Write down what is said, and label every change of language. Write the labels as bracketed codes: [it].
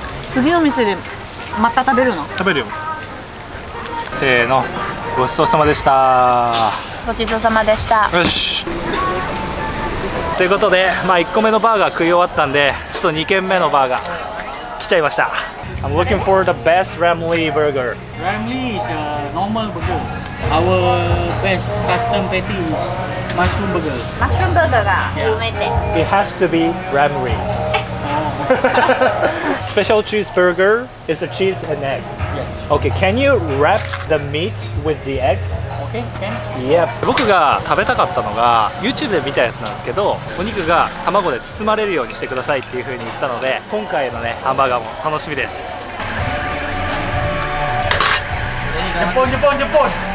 [ja] 次の店でまた食べるの？食べるよ。せーの、ごちそうさまでした。ごちそうさまでした。よし、ということで、まあ、1個目のバーガー食い終わったんで、ちょっと2軒目のバーガー来ちゃいました。 [en] I'm looking for the best Ramly burger. Ramly is a normal burger. Our best custom patty is mushroom burger. Mushroom burger [ja] が有名で、 [en] It has to be Ramly. Special cheeseburger is a cheese and egg. Yes. Okay, can you wrap the meat with the egg? Yeah. [ja] 僕が食べたかったのが YouTube で見たやつなんですけど、お肉が卵で包まれるようにしてくださいっていう風に言ったので、今回のねハンバーガーも楽しみです。ジャポンジャポンジャポン。